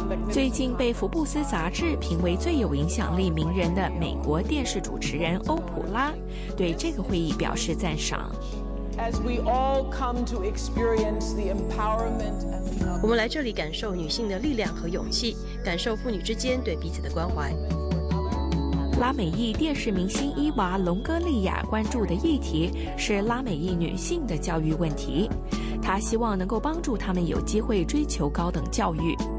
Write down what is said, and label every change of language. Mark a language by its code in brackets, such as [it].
[zh] 最近被福布斯杂志评为最有影响力名人的美国电视主持人欧普拉对这个会议表示赞赏。 [en] As we all come to experience the empowerment, [zh] 我们来这里感受女性的力量和勇气，感受妇女之间对彼此的关怀。拉美裔电视明星伊娃·隆格利亚关注的议题是拉美裔女性的教育问题，她希望能够帮助她们有机会追求高等教育。